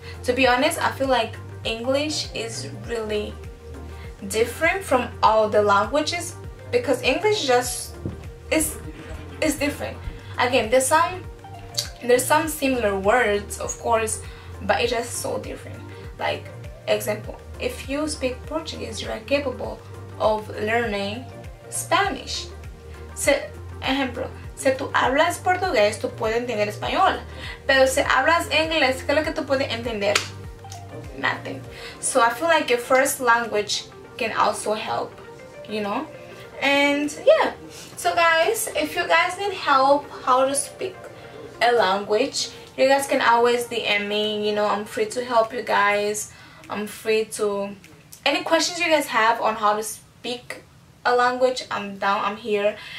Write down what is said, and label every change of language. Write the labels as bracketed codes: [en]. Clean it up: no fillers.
[en] To be honest, I feel like English is really different from all the languages because English just is different. Again, there's some similar words, of course, but it's just so different. Like, example, if you speak Portuguese, you are capable of learning Spanish. [es] Ejemplo, si tú hablas portugués, tú puedes entender español. Pero si hablas inglés, ¿qué es lo que tú puedes entender? [en] Nothing. So I feel like your first language can also help, you know? And yeah, so guys, if you guys need help how to speak a language, you guys can always DM me. You know, I'm free to help you guys. I'm free to, any questions you guys have on how to speak a language, I'm down, I'm here.